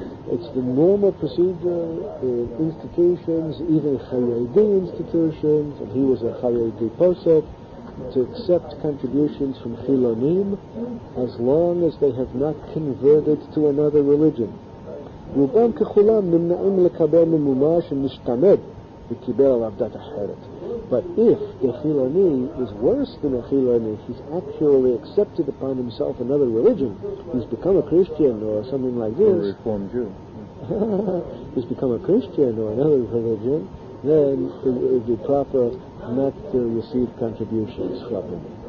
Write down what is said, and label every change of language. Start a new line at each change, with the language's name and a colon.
English: It's the normal procedure in institutions, even Hayyadi institutions, and he was a Hayyadi posek, to accept contributions from Chilonim as long as they have not converted to another religion.
Hebrew: רובם ככולם נמנעים לקבל ממומה שמשתמד וקיבל עליו דת אחרת.
English: But if the Chiloni is worse than a Chiloni, he's actually accepted upon himself another religion, he's become a Christian or something like this, a Reformed Jew. He's become a Christian or another religion, then it would be proper not to receive contributions from him.